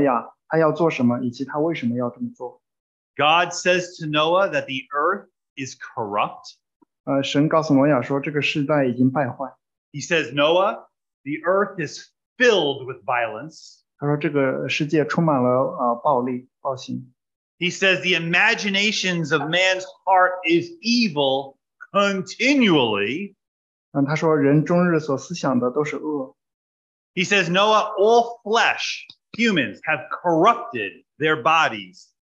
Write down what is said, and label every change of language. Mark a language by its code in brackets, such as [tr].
[zh] 神在创世纪第六章告诉了挪亚他要做什么以及他为什么要这么做。 [en] God says to Noah that the earth is corrupt. [zh] 神告诉挪亚说这个世代已经败坏。 [en] He says, Noah, the earth is filled with violence. [zh] 他说这个世界充满了暴力暴行。 [en] He says the imaginations of man's heart is evil continually. [zh] 他说人终日所思想的都是恶。 [en] He says, Noah, all flesh, humans, have corrupted their bodies.